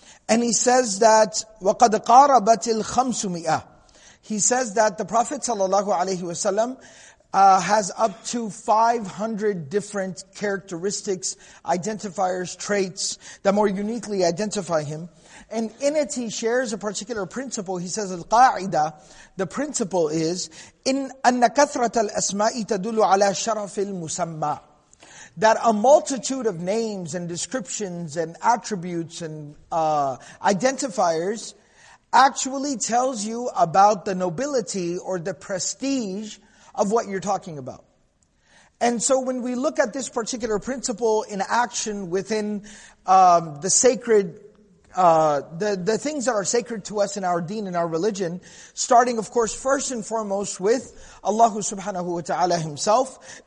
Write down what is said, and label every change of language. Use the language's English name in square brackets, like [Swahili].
[English] And he says that [Arabic] waqad qarabat al-500. [English] He says that the Prophet sallallahu alaihi wasallam has up to 500 different characteristics, identifiers, traits that more uniquely identify him. And in it, he shares a particular principle. He says, "Al-qa'ida." The principle is in [Arabic] أن كثرة الأسماء تدل على شرف المسمى. [English] That a multitude of names and descriptions and attributes and identifiers actually tells you about the nobility or the prestige of what you're talking about. And so when we look at this particular principle in action within the sacred, the things that are sacred to us in our deen, in our religion, starting of course first and foremost with Allah subhanahu wa ta'ala himself.